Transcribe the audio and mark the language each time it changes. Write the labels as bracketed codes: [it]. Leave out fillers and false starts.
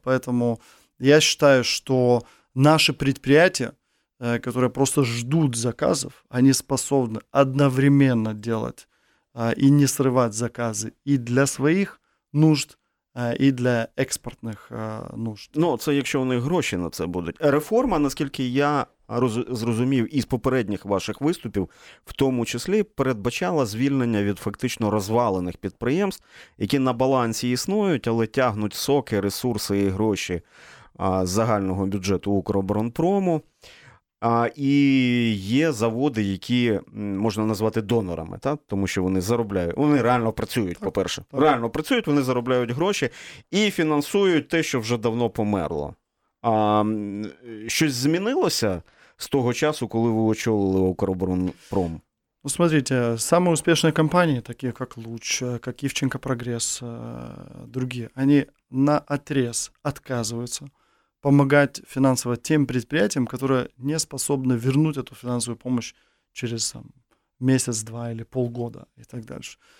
[ru] Поэтому я считаю, что наши предприятия, которые просто ждут заказов, они способны одновременно делать и не срывать заказы и для своих нужд, [uk] і для експортних нужд. Ну, це якщо у них гроші на це будуть. Реформа, наскільки я зрозумів із попередніх ваших виступів, в тому числі передбачала звільнення від фактично розвалених підприємств, які на балансі існують, але тягнуть соки, ресурси і гроші з загального бюджету «Укроборонпрому». І є заводи, які можна назвати донорами, та? Тому що вони заробляють, вони реально працюють, по-перше. Реально працюють, вони заробляють гроші і фінансують те, що вже давно померло. А щось змінилося з того часу, коли ви очолили «Укроборонпром»? [ru] Ну, смотрите, самые успешные компании, такие как «Луч», как «Івченко Прогресс», другие, они наотрез отказываются помогать финансово тем предприятиям, которые не способны вернуть эту финансовую помощь через там, месяц, два или полгода и так дальше.